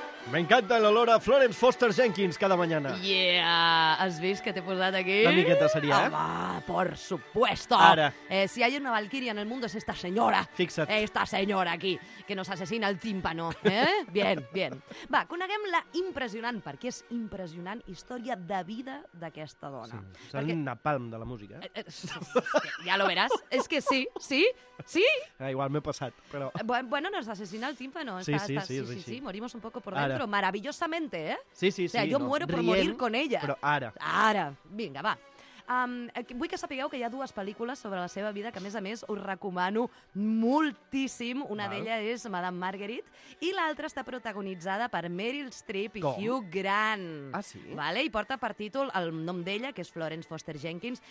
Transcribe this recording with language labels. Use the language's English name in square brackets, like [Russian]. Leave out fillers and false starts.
[Catalan] M'encanta l'olor a Florence Foster Jenkins [Spanish] cada mañana. [English] Yeah! [Catalan] Has vist que t'he posat aquí? Una miqueta seria, eh? [Spanish] Home, por supuesto! [Catalan] Ara. [Spanish] Si hay una valquíria en el mundo es esta señora. [Catalan] Fixa't. [Spanish] Esta señora aquí, que nos asesina el tímpano. Bien, bien. [Catalan] Va, coneguem la impressionant, perquè és impressionant, història de vida d'aquesta dona. Sí, és el napalm de la música. Ja lo veràs. És que sí, sí, sí. Igual m'he passat, però... [Spanish] Bueno, nos asesina el tímpano. Sí, sí, sí, sí, sí. Morimos un poco por dentro, maravillosamente, ¿eh? Sí, sí, sí. O sea, yo muero por morir con ella. [Catalan] Però ara. Ara. Vinga, va. Vull que sapigueu que hi ha dues pel·lícules sobre la seva vida que, a més, us recomano moltíssim. Una d'elles és Madame Marguerite i l'altra està protagonitzada per Meryl Streep i Hugh Grant. Ah, sí? Vale? I porta per títol el nom d'ella, que és Florence Foster Jenkins.